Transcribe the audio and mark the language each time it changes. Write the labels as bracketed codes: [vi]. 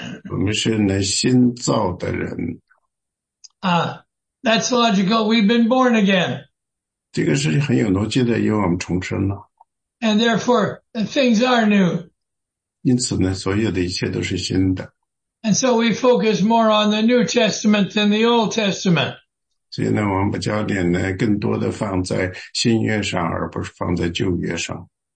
[zh] 我们是那新造的人 [en] That's logical, we've been born again [zh] 这个事情很有逻辑的, 因为我们重生了。 [en] And therefore, things are new. [zh] 因此呢, 所有的一切都是新的。 [en] And so we focus more on the New Testament than the Old Testament. [zh] 所以呢, 我们把焦点呢, 更多地放在新约上, 而不是放在旧约上。